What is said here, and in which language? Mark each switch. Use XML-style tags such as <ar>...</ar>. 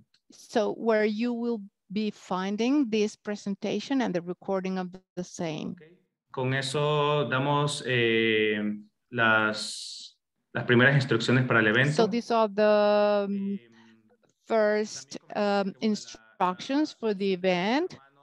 <en>So where you will be finding this presentation and the recording of the same.</en> <es>Con eso damos las primeras instrucciones para el evento.</es> <en>So these are the first instructions for the event.</en>